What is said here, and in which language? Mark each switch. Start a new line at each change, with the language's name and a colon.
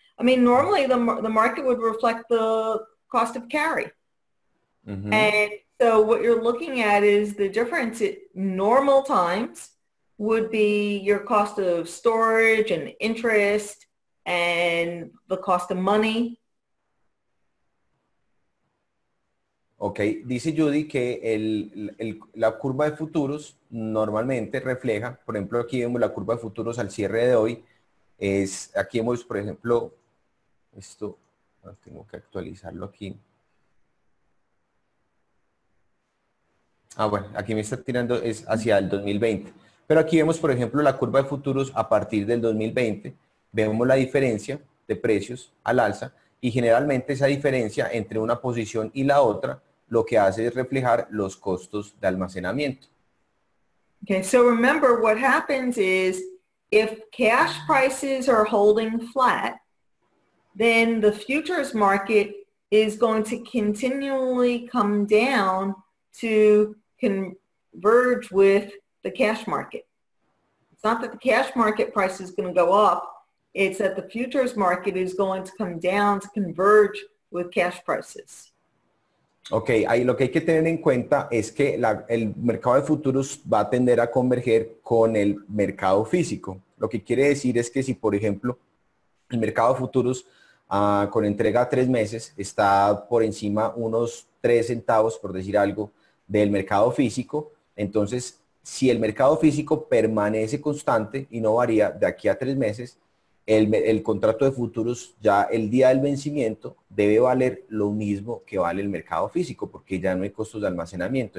English: I mean, normally the market would reflect the cost of carry. And so what you're looking at is the difference at normal times would be your cost of storage and interest and the cost of money.
Spanish: Ok, dice Judy que la curva de futuros normalmente refleja, por ejemplo, aquí vemos la curva de futuros al cierre de hoy, aquí vemos, por ejemplo, esto, tengo que actualizarlo aquí. Ah, bueno, aquí me está tirando, es hacia el 2020. Pero aquí vemos, por ejemplo, la curva de futuros a partir del 2020, vemos la diferencia de precios al alza y generalmente esa diferencia entre una posición y la otra, lo que hace es reflejar los costos de almacenamiento.
English: Okay, so remember what happens is if cash prices are holding flat, then the futures market is going to continually come down to converge with the cash market. It's not that the cash market price is going to go up, it's that the futures market is going to come down to converge with cash prices.
Spanish: Ok, ahí lo que hay que tener en cuenta es que el mercado de futuros va a tender a converger con el mercado físico. Lo que quiere decir es que si, por ejemplo, el mercado de futuros con entrega a 3 meses está por encima unos 3 centavos, por decir algo, del mercado físico, entonces si el mercado físico permanece constante y no varía de aquí a 3 meses, el contrato de futuros ya el día del vencimiento debe valer lo mismo que vale el mercado físico porque ya no hay costos de almacenamiento.